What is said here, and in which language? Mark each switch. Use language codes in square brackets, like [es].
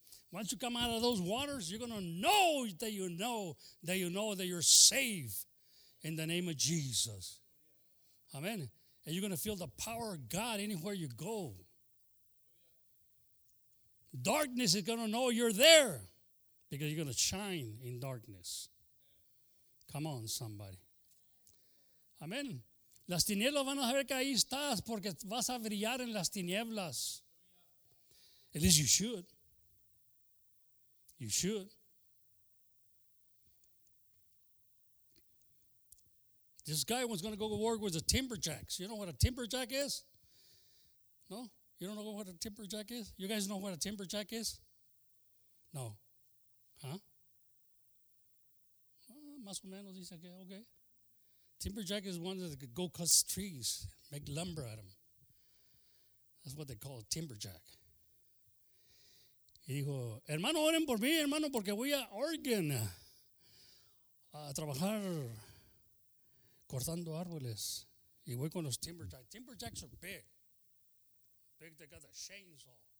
[en] Once you come out of those waters, you're going to know that you know that you know that you're saved in the name of Jesus. Amen. And you're going to feel the power of God anywhere you go. Darkness is going to know you're there because you're going to shine in darkness. Come on, somebody. Amen. [es] Las tinieblas van a saber que ahí estás porque vas a brillar en las tinieblas. [en] At least you should. You should. This guy was going to go to work with the timberjacks. You know what a timberjack is? No? You don't know what a timberjack is? You guys know what a timberjack is? No. Huh? [es] Más o menos dice que, okay. [en] Timberjack is one that could go cut trees, make lumber out of them. That's what they call a timberjack. [es] Y dijo, hermano, oren por mí, hermano, porque voy a Oregon a trabajar cortando árboles. Y voy con los timberjacks. [en] Timberjacks are big. Big, they got a chainsaw.